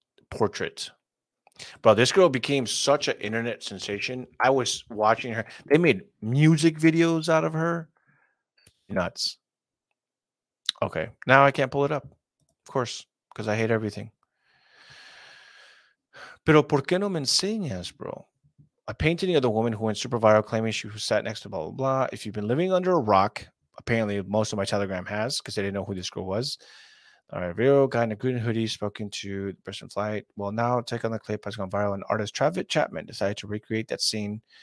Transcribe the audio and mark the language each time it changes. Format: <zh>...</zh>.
<en>Portrait. Bro, this girl became such an internet sensation. I was watching her. They made music videos out of her. Nuts. Okay, now I can't pull it up. Of course, because I hate everything.</en> <es>Pero por qué no me enseñas, bro?</es> <en>A painting of the woman who went super viral claiming she was sat next to blah, blah, blah. If you've been living under a rock, apparently most of my Telegram has because they didn't know who this girl was. All right, real guy in a green hoodie spoken to the person flight. Well, now take on the clip has gone viral and artist Travis Chapman decided to recreate that scene.</en>